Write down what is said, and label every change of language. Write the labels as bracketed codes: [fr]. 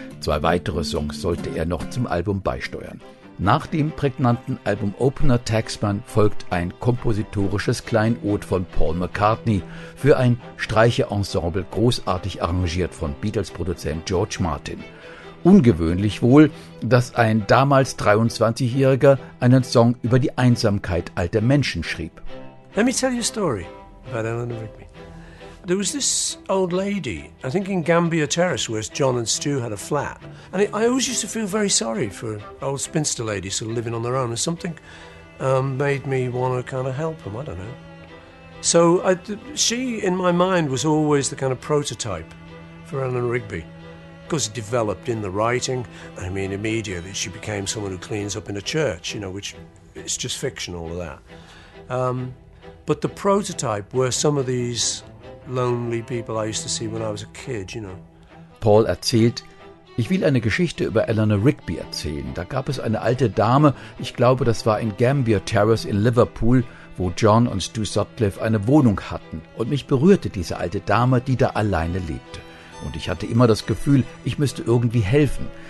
[de] Zwei weitere Songs sollte er noch zum Album beisteuern. Nach dem prägnanten Album-Opener Taxman folgt ein kompositorisches Kleinod von Paul McCartney für ein Streicherensemble, großartig arrangiert von Beatles-Produzent George Martin. Ungewöhnlich wohl, dass ein damals 23-Jähriger einen Song über die Einsamkeit alter Menschen schrieb. [en] Let me tell you a story. About Eleanor Rigby. There was this old lady, I think in Gambier Terrace, where John and Stu had a flat. And I always used to feel very sorry for old spinster ladies sort of living on their own. And something made me want to kind of help them, I don't know. So she, in my mind, was always the kind of prototype for Eleanor Rigby. Of course, it developed in the writing. I mean, immediately she became someone who cleans up in a church, you know, which it's just fiction, all of that. But the prototype were some of these lonely people I used to see when I was a kid, you know. [de] Paul erzählt, ich will eine Geschichte über Eleanor Rigby erzählen. Da gab es eine alte Dame, ich glaube, das war in Gambier Terrace in Liverpool, wo John und Stu Sutcliffe eine Wohnung hatten. Und mich berührte diese alte Dame, die da alleine lebte. Und ich hatte immer das Gefühl, ich müsste irgendwie helfen.